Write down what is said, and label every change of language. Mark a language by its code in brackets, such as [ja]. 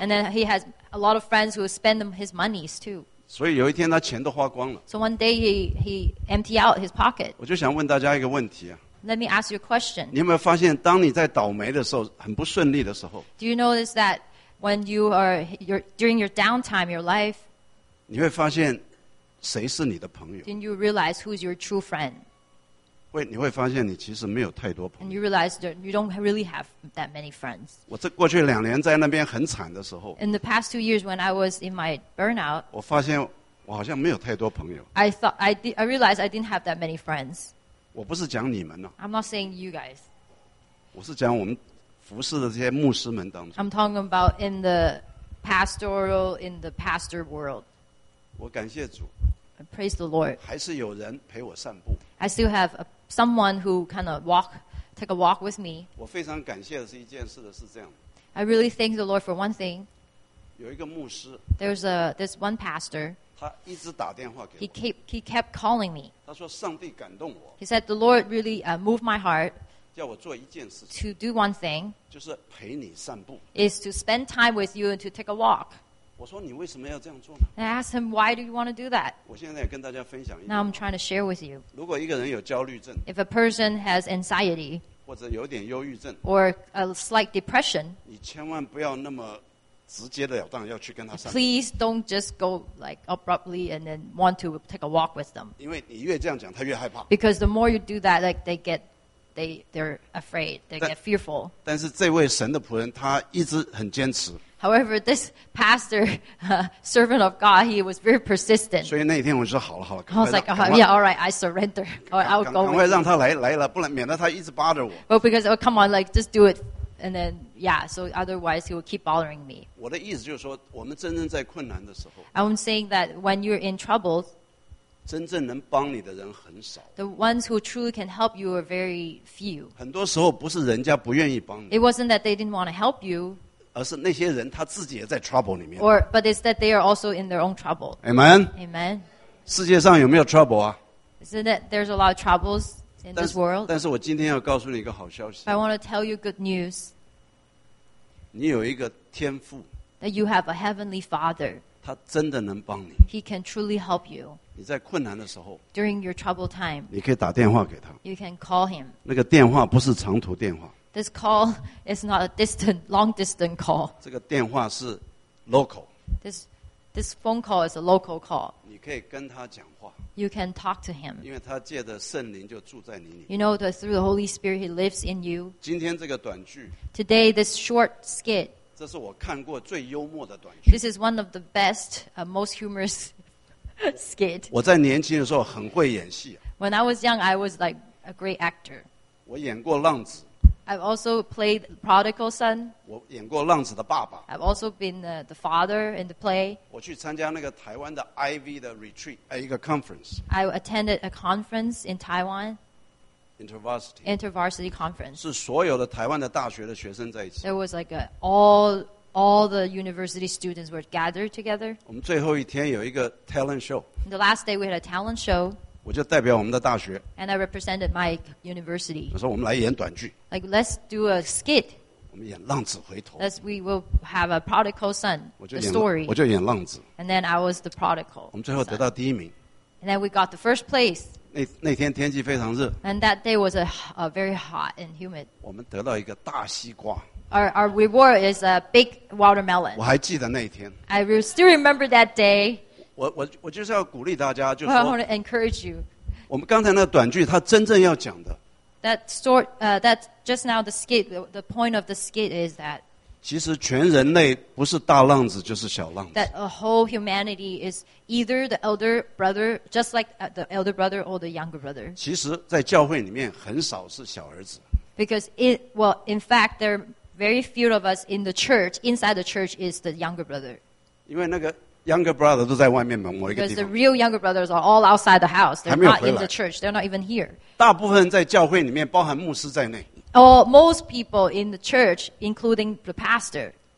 [en] ？And then he has a lot of friends who spend his monies too. [zh] 所以有一天他钱都花光了。 [en] So one day he emptied out his pocket. [zh] 我就想问大家一个问题啊。 [en] Let me ask you a question. [zh] 你有没有发现，当你在倒霉的时候，很不顺利的时候 [en] ？Do you notice that when you are your during your downtime, your life? [zh] 你会发现谁是你的朋友 [en] ？Then you realize who is your true friend. [zh] 你会发现你其实没有太多朋友。 [en] And you realize that you don't really have that many friends. [zh] 我这过去两年在那边很惨的时候 [en] ，In the past 2 years when I was in my burnout, [zh] 我发现我好像没有太多朋友。 [en] I realized I didn't have that many friends. [zh] 我不是讲你们呢、 [en] 啊。I'm not saying you guys. [zh] 我是讲我们服侍的这些牧师们当中。 [en] I'm talking about in the pastoral, in the pastor world. [zh] 我感谢主。 [en] I praise the Lord. [zh] 还是有人陪我散步。 [en] I still have someone who kind of walk, take a walk with me. [zh] 我非常感谢的是一件事的是这样。 [en] I really thank the Lord for one thing. [zh] 有一个牧师。 [en] There's one pastor. [zh] 他一直打电话给我。 [en] He kept calling me. [zh] 他说上帝感动我。 [en] He said the Lord really moved my heart. [zh] 叫我做一件事。 [en] To do one thing. [zh] 就是陪你散步。 [en] Is to spend time with you and to take a walk. [zh] 我说你为什么要这样做呢 [en] ？I asked him why do you want to do that. [zh] 我现在跟大家分享一。 [en] Now I'm trying to share with you. [zh] 如果一个人有焦虑症。 [en] If a person has anxiety. [zh] 或者有点忧郁症。 [en] Or a slight depression. [zh] 你千万不要那么。直接的了当要去跟他散步。 [en] Please don't just go like abruptly and then want to take a walk with them. [zh] 因为你越这样讲，他越害怕。 [en] Because the more you do that, like they're afraid, they get fearful. [zh] 但是这位神的仆人他一直很坚持。 [en] However, this pastor, servant of God, he was very persistent. [zh] 所以那天我说好了好了。 [en] I was like, oh, yeah, all right, I surrender, or I'll go. [zh] 赶快让他来了，不然免得他一直扒着我。 [en] Well, because oh, come on, like just do it. And then, yeah, so otherwise he will keep bothering me. [zh] 我的意思就是说，我们真正在困难的时候 [en] I'm saying that when you're in trouble, [zh] 真正能帮你的人很少 [en] The ones who truly can help you are very few. [zh] 很多时候不是人家不愿意帮你 [en] It wasn't that they didn't want to help you. [zh] 而是那些人他自己也在 trouble 里面 [en] But it's that they are also in their own trouble. Amen? Amen. [zh] 世界上有没有 trouble 啊 [en] Isn't it there's a lot of troubles? In this world. [zh] 但是我今天要告诉你一个好消息。 [en] I want to tell you good news. [zh] 你有一个天父。 [en] That you have a heavenly father. [zh] 他真的能帮你。 [en] He can truly help you. [zh] 你在困难的时候。 [en] During your troubled time. [zh] 你可以打电话给他。 [en] You can call him. [zh] 那个电话不是长途电话。 [en] This call is not a distant, long distance call. [zh] 这个电话是 local. [en] This phone call is a local call. [zh] 你可以跟他讲话。 [en] You can talk to him. [zh] 因为他借着圣灵就住在你里。 [en] You know that through the Holy Spirit he lives in you. [zh] 今天这个短剧。 [en] Today this short skit. [zh] 这是我看过最幽默的短剧。 [en] This is one of the best, most humorous skit. [zh] 我在年轻的时候很会演戏。 [en] When I was young, I was like a great actor. [zh] 我演过浪子。 [en] I've also played Prodigal Son. [zh] 我演过浪子的爸爸。 [en] I've also been the father in the play. [zh] 我去参加那个台湾的 IV 的 retreat, 一个 conference. [en] I attended a conference in Taiwan. Intervarsity conference. [zh] 是所有的台湾的大学的学生在一起。 [en] There was like all the university students were gathered together. [zh] 我们最后一天有一个 talent show. [en] The last day we had a talent show. [zh] 我就代表我们的大学。 [en] And I represented my university. [zh] 我说我们来演短剧。 [en] Like let's do a skit. [zh] 我们演浪子回头。 [en] Let's we will have a prodigal son. The story. [zh] 我就演浪子。 [en] And then I was the prodigal. [zh] 我们最后得到第一名。 [en] And then we got the first place. [zh] 那天天气非常热。 [en] And that day was a very hot and humid. [zh] 我们得到一个大西瓜。 [en] Our reward is a big watermelon. [zh] 我还记得那一天。 [en] I still remember that day. [zh] 我就是要鼓励大家，就是说， [en] well, I want to encourage you. [zh] 我们刚才那短剧，它真正要讲的。 [en] That story, that just now the skit, the point of the skit is that. [zh] 其实全人类不是大浪子就是小浪子。 [en] That a whole humanity is either the elder brother, just like the elder brother or the younger brother. [zh] 其实，在教会里面很少是小儿子。 [en] Because it, well, in fact, there are very few of us in the church, inside the church, is the younger brother. [zh] 因为那个。Younger brother 都在外面某一个地方。 [en] Because the real younger brothers are all outside the house. They're not in the church. They're not even here. [zh] 大部分在教会里面，包含牧师在内。 [en] Or most people in the church, including the pastor.